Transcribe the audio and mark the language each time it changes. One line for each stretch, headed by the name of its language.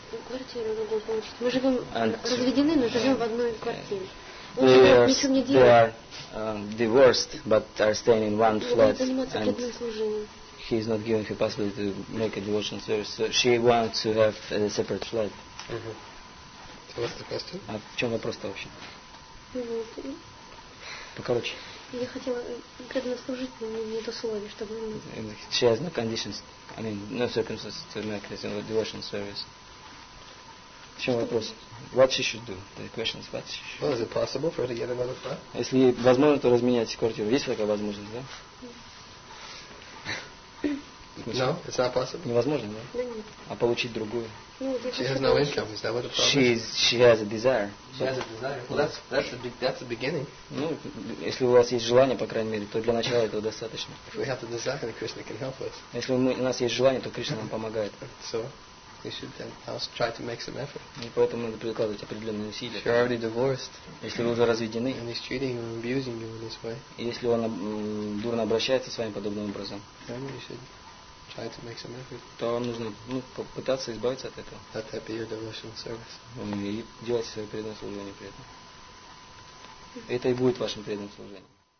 Russian: Квартиру другую получить. Мы живем разведены, но живем в одной квартире.
English: They are divorced, but are staying in one flat, and he is not giving her possibility to make a devotion service. So she wants to have a separate flat. So what's the question?
Russian: А в чем вопрос-то вообще? Покороче. Я хотела преданно служить, но нет условий, чтобы.
English: She has no conditions. I mean, no circumstances to make this devotion service.
Russian: В чем вопрос?
English: What she should do? The question is what she should do. Well, is it possible for her to get another flat?
Russian: Если возможно, то разменять квартиру. Есть такая возможность, да?
English: No, it's not possible.
Russian: Невозможно, да? Да нет. А получить другую?
English: She has no income. Is that what the problem is? She has a desire. Well, that's the beginning.
Russian: Ну, если у вас есть желание, по крайней мере, то для начала этого достаточно.
English: If we have the desire, then Krishna can help us.
Russian: Если у нас есть желание, то Кришна нам помогает. So?
English: You should then also try to make some effort.
Russian: И поэтому надо прикладывать определенные усилия.
English: If you're already divorced,
Russian: если вы уже разведены,
English: and he's treating you and abusing you in this way,
Russian: если он дурно обращается с вами подобным образом,
English: then you should try to make some effort.
Russian: То вам нужно попытаться избавиться от этого.
English: That that be your devotional service.
Russian: И делать свое преданное служение при этом. Это и будет вашим преданным служением.